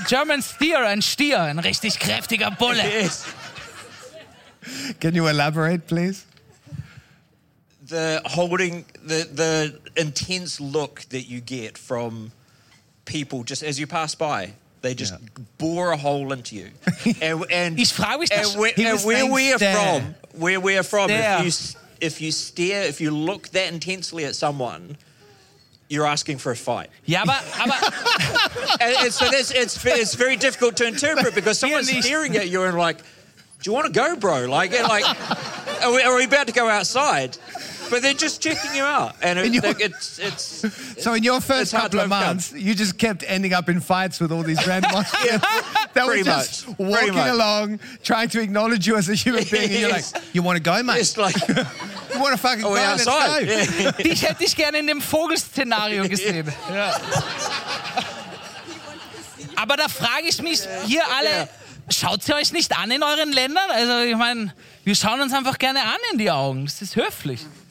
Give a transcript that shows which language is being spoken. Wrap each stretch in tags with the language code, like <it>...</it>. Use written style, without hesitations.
<en>German Steer,</en> <de>ein Stier, ein richtig kräftiger Bulle.</de> <en>Yes. Can you elaborate, please? The holding, the intense look that you get from people just as you pass by, they just bore a hole into you. And</en> <de>ich frage mich,</de> <en>where we are from, if you stare, if you look that intensely at someone, you're asking for a fight. Yeah, but and so it's very difficult to interpret because someone's staring at you and like, do you want to go, bro? Like, are we about to go outside? But they're just checking you out, and it's so in your first couple of months, you just kept ending up in fights with all these random Austrians that were just walking along, trying to acknowledge you as a human being. And you're like, you want to go, mate? It's like, you want to fucking go outside?</en> <de>Dich hätte ich gerne in dem Vogelszenario gesehen. Aber da frage ich mich hier alle. Schaut sie euch nicht an in euren Ländern? Also ich meine, wir schauen uns einfach gerne an in die Augen. Das ist höflich.</de>